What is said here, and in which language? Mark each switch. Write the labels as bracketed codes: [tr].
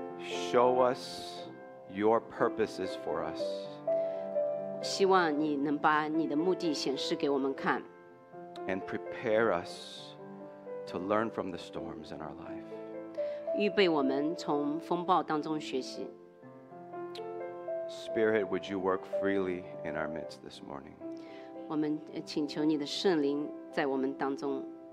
[en] Show us your purposes for us. [zh] 希望你能把你的目的显示给我们看。 [en] And prepare us to learn from the storms in our life. [zh] 预备我们从风暴当中学习。 [en] Spirit, would you work freely in our midst this morning? [zh] 我们请求你的圣灵在我们当中。